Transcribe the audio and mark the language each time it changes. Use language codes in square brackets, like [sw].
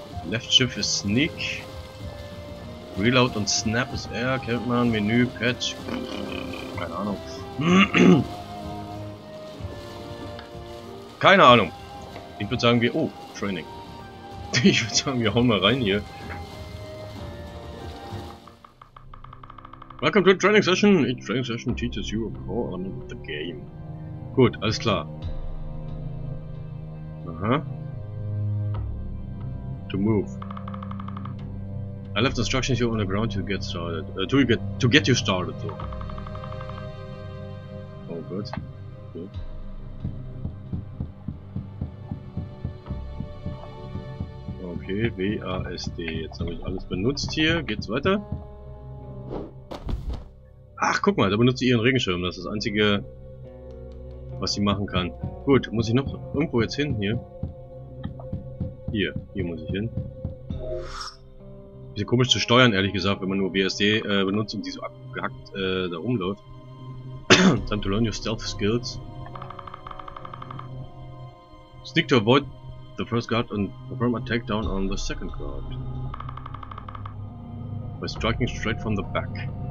[de] Left Shift ist Sneak. Reload und Snap ist R. Kennt man. Menü, Pad. Keine Ahnung. Keine Ahnung. Ich würde sagen, wir... Oh, Training. Ich würde sagen, wir hauen mal rein hier. [en] Welcome to the Training Session. Each Training Session teaches you a core element of the game. [de] Gut, alles klar. Aha. [en] To move. I left instructions here on the ground to get started. To get you started. So. Oh, good. Good. [de] Okay, WASD. Jetzt habe ich alles benutzt hier. Geht's weiter? Ach, guck mal, da benutzt sie ihren Regenschirm. Das ist das Einzige, was sie machen kann. Gut, muss ich noch irgendwo jetzt hin? Hier. Hier muss ich hin. Bisschen komisch zu steuern, ehrlich gesagt, wenn man nur WASD benutzt und die so abgehackt da rumläuft. [en] Time to learn your stealth skills. Sneak to avoid the first guard and perform a takedown on the second guard by striking straight from the back.